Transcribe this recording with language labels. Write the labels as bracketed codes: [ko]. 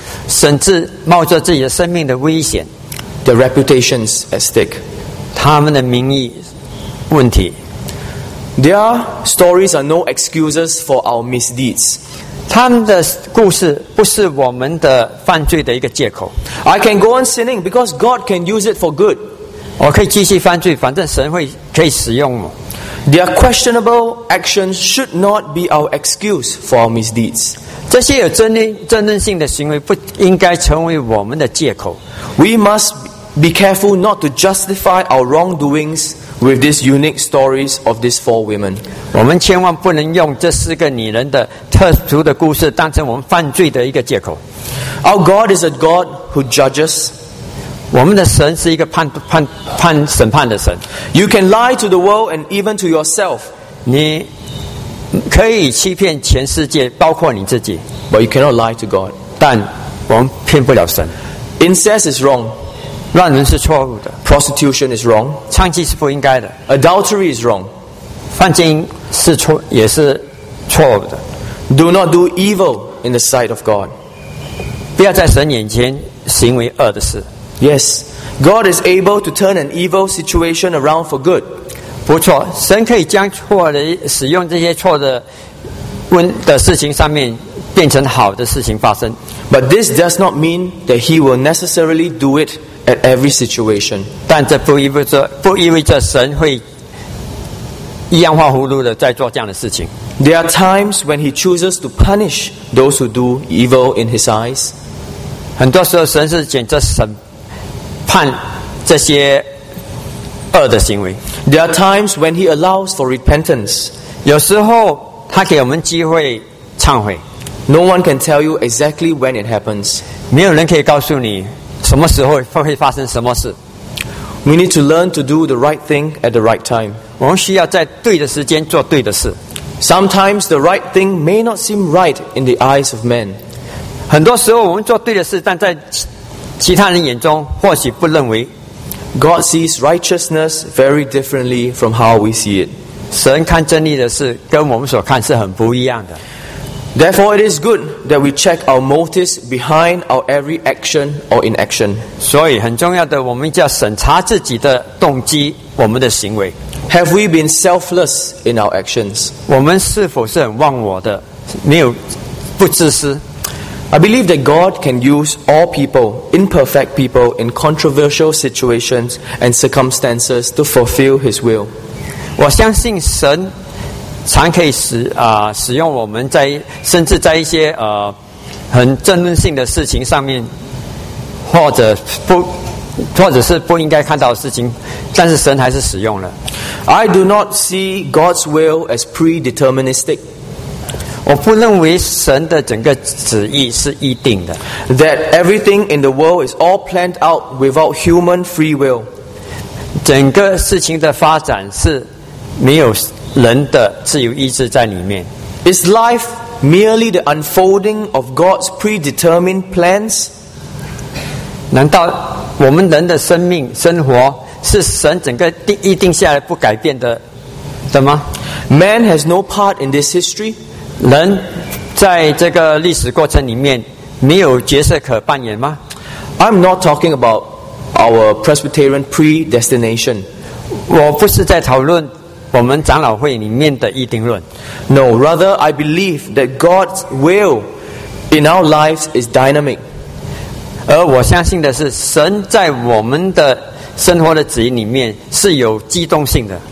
[zh] 甚至冒着自己的生命的危险。 [en] Their reputations at stake, [zh] 他们的名誉问题。 [en] Their stories are no excuses for our misdeeds. [zh] 他们的故事不是我们的犯罪的一个借口。 [en] I can go on sinning because God can use it for good. [zh] 我可以继续犯罪，反正神会可以使用我。 [en] Their questionable actions should not be our excuse for our misdeeds. [zh] 这些有争论性的行为不应该成为我们的借口。 [en] We must be careful not to justify our wrongdoings with these unique stories of these four women. [zh] 我们千万不能用这四个女人的特殊的故事当成我们犯罪的一个借口。 [en] Our God is a God who judges. [zh] 我们的神是一个判审判的神。 [en] You can lie to the world and even to yourself. [zh] 你可以欺骗全世界，包括你自己。 [en] But you cannot lie to God. [zh] 但我们骗不了神。 [en] Incest is wrong. [zh] 乱伦是错误的。 [en] Prostitution is wrong. [zh] 娼妓是不应该的。 [en] Adultery is wrong. [zh] 犯奸是错，也是错误的。 [en] Do not do evil in the sight of God. [zh] 不要在神眼前行为恶的事。 [en] Yes, God is able to turn an evil situation around for good. [zh] 不错，神可以将错的使用这些错的温的事情上面变成好的事情发生。 [en] But this does not mean that He will necessarily do it. At every situation, [zh] 但这不意味着神会样化葫芦的在做这样的事情。 [en] There are times when He chooses to punish those who do evil in His eyes. [zh] 很多时候，神是选择审判这些恶的行为。 [en] There are times when He allows for repentance. [zh] 有时候，他给我们机会忏悔。 [en] No one can tell you exactly when it happens. [zh] 没有人可以告诉你。什么时候会发生什么事？ [en] We need to learn to do the right thing at the right time. [zh] 我们需要在对的时间做对的事。 [en] Sometimes the right thing may not seem right in the eyes of men. [zh] 很多时候我们做对的事，但在其他人眼中或许不认为。 [en] God sees righteousness very differently from how we see it. [zh] 神看真理的事跟我们所看是很不一样的。 [en] Therefore, it is good that we check our motives behind our every action or inaction. [zh] 所以很重要的，我们就要审查自己的动机，我们的行为。 [en] Have we been selfless in our actions? [zh] 我们是否是很忘我的，没有不自私？ [en] I believe that God can use all people, imperfect people, in controversial situations and circumstances to fulfill His will. [zh] 我相信神。常可以使用我们在甚至在一些很争论性的事情上面，或者是不应该看到的事情，但是神还是使用了。 [en] I do not see God's will as predeterministic. [zh] 我不认为神的整个旨意是预定的。 [en] That everything in the world is all planned out without human free will. [zh] 整个事情的发展是没有。人的自由意志在里面。 [en] Is life merely the unfolding of God's predetermined plans? [zh] 难道我们人的生命生活是神整个预定下来不改变的吗？ [en] Man has no part in this history. [zh] 人在这个历史过程里面没有角色可扮演吗？ [en] I'm not talking about our Presbyterian predestination. [zh] 我不是在讨论我们长老会里面的预定论。 [en] No, rather I believe that God's will in our lives is dynamic. [zh] 而我相信的是神在我们的生活的旨意里面是有机动性的。